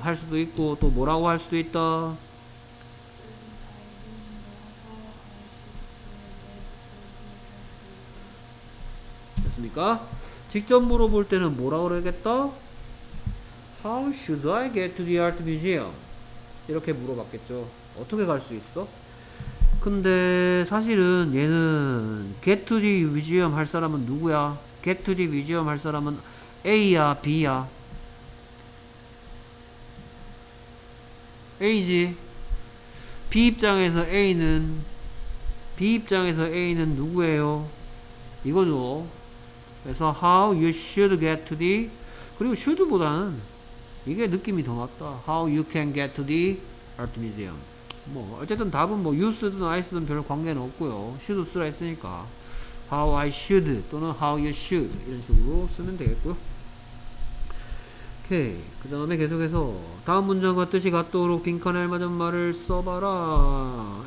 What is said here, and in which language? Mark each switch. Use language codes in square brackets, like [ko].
[ko] 할 수도 있고 또 뭐라고 할 수도 있다. 됐습니까? 직접 물어볼 때는 뭐라고 그러겠다? [en] How should I get to the art museum? [ko] 이렇게 물어봤겠죠. 어떻게 갈 수 있어? 근데 사실은 얘는 [en] get to the museum [ko] 할 사람은 누구야? [en] get to the museum [ko] 할 사람은 A야? B야? A지? B 입장에서 A는? B 입장에서 A는 누구예요? 이거죠. 그래서 [en] how you should get to the [ko] 그리고 should 보다는 이게 느낌이 더 맞다. [en] How you can get to the art museum. [ko] 뭐 어쨌든 답은 뭐 you 쓰든 I 쓰든 별 관계는 없고요. should 쓰라 했으니까 how I should 또는 how you should 이런 식으로 쓰면 되겠고요. 오케이. 그 다음에 계속해서 다음 문장과 뜻이 같도록 빈칸에 알맞은 말을 써봐라.